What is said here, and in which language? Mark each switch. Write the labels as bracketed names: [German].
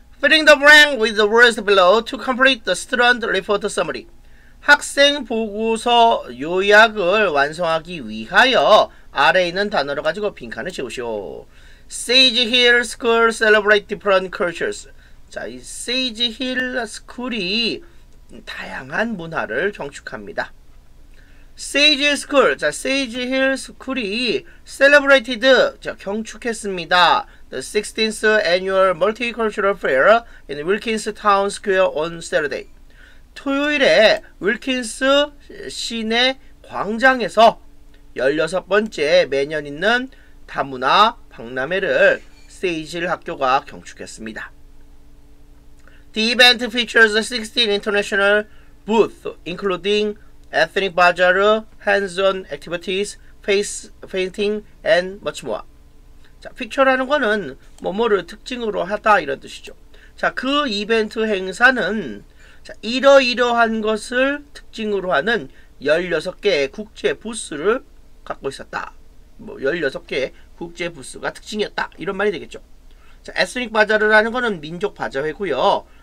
[English] Filling the blank with the words below to complete the student report summary. [Korean] 학생 보고서 요약을 완성하기 위하여 아래 있는 단어를 가지고 빈칸을 채우시오. [English] Sage Hill School Celebrate Different Cultures. [Korean] 자, 이 Sage Hill School이 다양한 문화를 경축합니다. Sage School, 자, Sage Hill School이 celebrated, 자, 경축했습니다. [English] The 16th Annual Multicultural Fair in Wilkins Town Square on Saturday. [Korean] 토요일에 윌킨스 시내 광장에서 16번째 매년 있는 다문화 박람회를 세이지힐 학교가 경축했습니다. [English] The event features 16 international booths, including ethnic bazaar, hands-on activities, face painting, and much more. [Korean] 자, picture라는 거는 뭐뭐를 특징으로 하다 이런 뜻이죠. 자, 그 이벤트 행사는 자, 이러이러한 것을 특징으로 하는 16개의 국제 부스를 갖고 있었다. 뭐 16개의 국제 부스가 특징이었다. 이런 말이 되겠죠. 자, ethnic bazaar라는 거는 민족 바자회고요.